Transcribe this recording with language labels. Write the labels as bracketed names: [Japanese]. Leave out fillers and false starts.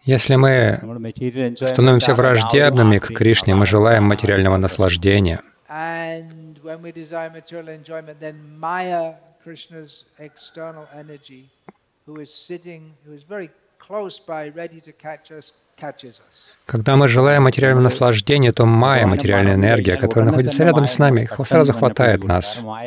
[Russian] Если мы становимся враждебными к Кришне, мы желаем материального наслаждения. [English] And when we desire material enjoyment, then Maya, Krishna's external energy, who is sitting, who is very close by, ready to catch us, catches us. [Russian] Когда мы желаем материального наслаждения, то майя, материальная энергия, которая находится рядом с нами, сразу хватает нас.